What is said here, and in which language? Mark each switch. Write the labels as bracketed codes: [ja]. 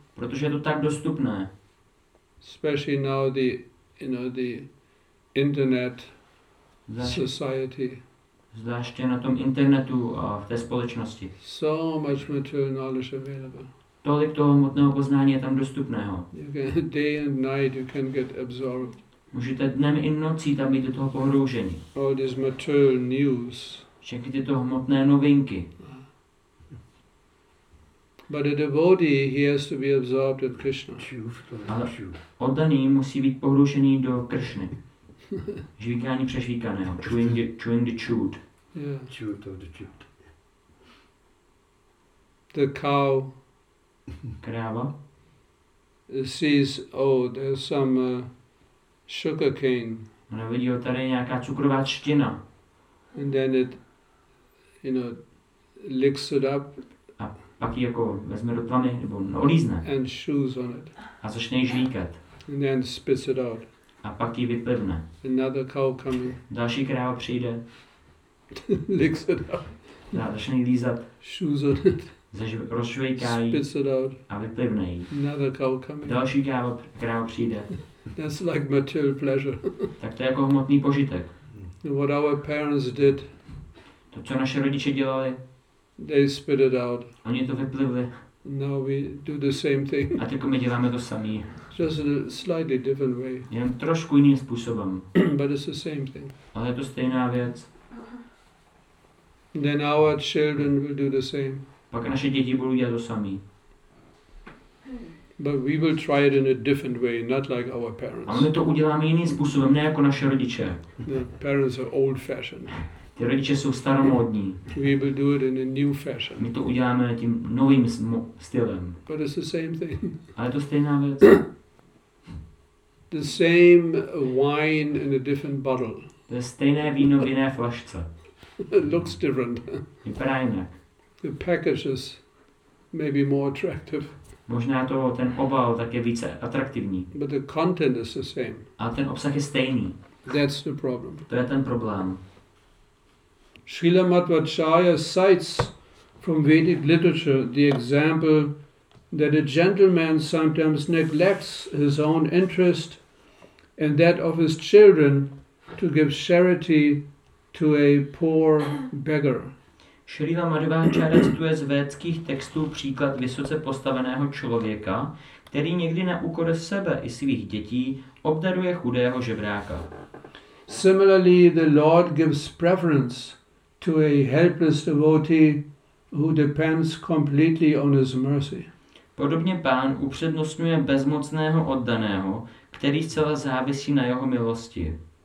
[cs] Protože je to tak dostupné. [en] Especially now the, you know, the internet society. [cs] Zvláště na tom internetu a v té společnosti. [en] So much material knowledge available. [cs] Tolik toho hmotného poznání je tam dostupného. [en] Day and night you can get absorbed. [cs] Můžete dnem i nocí tam být do toho pohroužení. [en] All this material news. [cs] Všechny tyto hmotné novinky. [en] But a devotee, he has to be absorbed in Krishna. [cs] Oddaný musí být pohroušený do Kršny. Žvíkání přežvíkaného. [en] Chewing the chewed. Yeah. Chewed of the chewed. The cow. [cs] Kráva. [en] Sees, oh, there's some sugar cane. [cs] Ona vidí, oh, tady je nějaká cukrová čtina. [en] And then it, you know, licks it up. [cs] Pak ji jako vezme do tlamy nebo olízne. [en] And chews on it. [cs] A začne ji žvíkat. [en] And then spits it out. [cs] A pak ji vyplivne. [en] Another cow coming. [cs] Další kráva přijde. [en] Licks it out. [cs] A začne ji lízat. [en] Chews on it. [cs] Rozšvejká ji. [en] Spits it out. [cs] A vyplivne ji. [en] Another cow coming. [cs] Další kráva přijde. [en] That's like material pleasure. [cs] Tak to je jako hmotný požitek. [en] What our parents did. [cs] To, co naše rodiče dělali. [en] They spit it out. [cs] Oni to vyplivli. [en] No, we do the same thing. [cs] A teď my děláme to samý. [en] Just in a slightly different way. [cs] Jen trošku jiným způsobem. [en] But it's the same thing. [cs] Ale je to stejná věc. [en] Then our children will do the same. [cs] Pak naše děti budou dělat to samý. [en] But we will try it in a different way, not like our parents. [cs] A my to uděláme jiným způsobem, ne jako naše rodiče. [en] The parents are old-fashioned. [cs] Ty rodiče jsou staromódní. [en] We will do it in a new fashion. [cs] My to uděláme tím novým stylem. [en] But it's the same thing. [cs] Ale je to stejná věc. [en] The same wine in a different bottle. [cs] To je stejné víno v jiné flašce. [en] It looks different. [cs] Vypadá jinak. [en] The packages may be more attractive. [cs] Možná to ten obal tak je více atraktivní. [en] But the content is the same. [cs] A ten obsah je stejný. [en] That's the problem. [cs] To je ten problém. [en] Srila Madhvacharya cites from Vedic literature the example that a gentleman sometimes neglects his own interest and that of his children to give charity to a poor beggar. [cs] Srila Madhvacharya cituje z védských textů příklad vysoce postaveného člověka, který někdy na úkor sebe i svých dětí obdaruje chudého žebráka. [en] Similarly, the Lord gives preference to a helpless devotee who depends completely on his mercy. [cs] Podobně pán upřednostňuje bezmocného oddaného, který zcela závisí na jeho milosti.